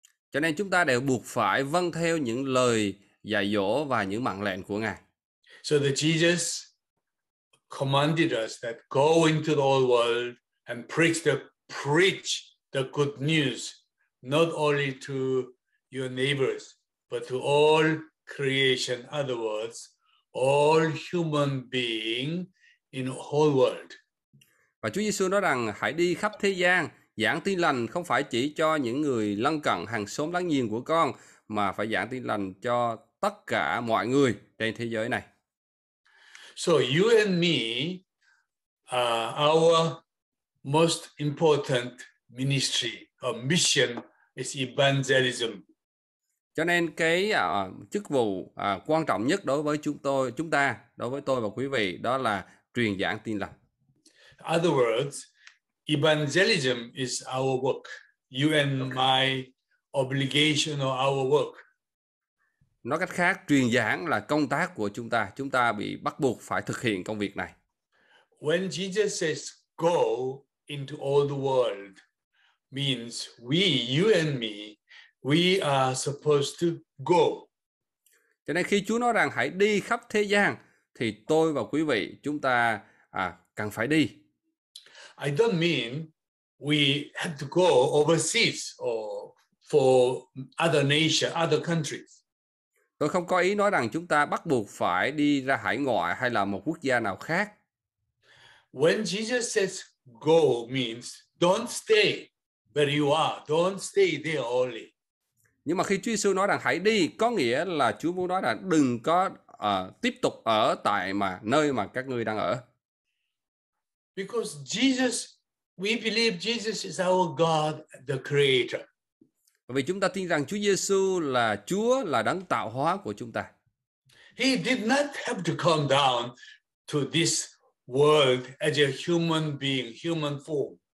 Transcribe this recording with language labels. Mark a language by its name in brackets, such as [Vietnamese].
[Vietnamese] Cho nên chúng ta đều buộc phải vâng theo những lời dạy dỗ và những mạng lệnh của Ngài. [English] So that Jesus commanded us that go into the whole world and preach the good news, not only to your neighbors, but to all creation, in other words, all human being in the whole world. [Vietnamese] Và Chúa Giêsu nói rằng hãy đi khắp thế gian, giảng tin lành không phải chỉ cho những người lân cận hàng xóm láng giềng của con, mà phải giảng tin lành cho tất cả mọi người trên thế giới này. [English] So you and me, our most important ministry or mission is evangelism. [Vietnamese] Cho nên cái chức vụ quan trọng nhất đối với chúng ta, đối với tôi và quý vị, đó là truyền giảng tin lành. [English] In other words, evangelism is our work, you and my obligation or our work. [Vietnamese] Nói cách khác, truyền giảng là công tác của chúng ta bị bắt buộc phải thực hiện công việc này. [English] When Jesus says go into all the world, means we, you and me, we are supposed to go. [Vietnamese] Cho nên khi Chúa nói rằng hãy đi khắp thế gian, thì tôi và quý vị, chúng ta cần phải đi. [English] I don't mean we have to go overseas or for other nation, other countries. [Vietnamese] Tôi không có ý nói rằng chúng ta bắt buộc phải đi ra hải ngoại hay là một quốc gia nào khác. [English] When Jesus says go means don't stay where you are, don't stay there only. [Vietnamese] Nhưng mà khi Chúa Giêsu nói rằng hãy đi, có nghĩa là Chúa muốn nói là đừng có tiếp tục ở tại mà nơi mà các ngươi đang ở. [English] Because Jesus, we believe Jesus is our God, the Creator. [Vietnamese] Bởi vì chúng ta tin rằng Chúa Giêsu là Chúa, là đấng tạo hóa của chúng ta. [English] He did not have to come down to this world as a human being, human form.